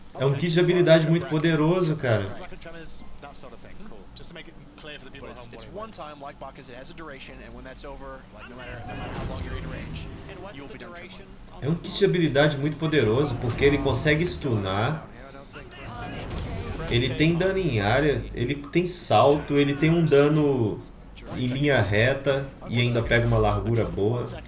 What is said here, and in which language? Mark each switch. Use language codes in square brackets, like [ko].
[pt] É um kit de habilidade muito poderoso, cara. [en] That sort of thing. Cool. Just to make it clear for the people at home. It's one time, like Bacchus, it has a duration, and when that's over, like no matter how long you're in range, you'll be done trembling. [pt] É um kit de habilidade muito poderoso porque ele consegue stunar. Ele tem dano em área, ele tem salto, ele tem um dano em linha reta e ainda pega uma largura boa.